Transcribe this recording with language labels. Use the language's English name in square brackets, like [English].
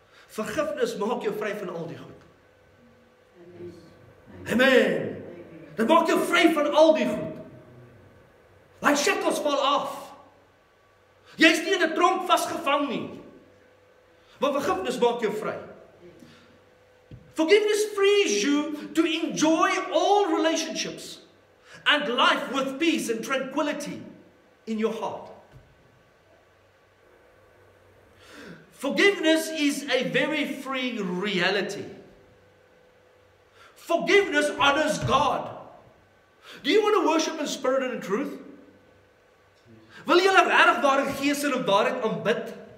[Afrikaans] Vergifnis maak jou vry van al die goed. Amen. Dit maak jou vry van al die goed. [English] Like shackles [Afrikaans] val af. Jy is nie in die tronk vastgevang nie. Want vergifnis maak jou vry. [English] Forgiveness frees you to enjoy all relationships and life with peace and tranquility in your heart. Forgiveness is a very freeing reality. Forgiveness honors God. Do you want to worship in spirit and in truth? [Afrikaans] Wil julle regtig ware gees en waarheid aanbid?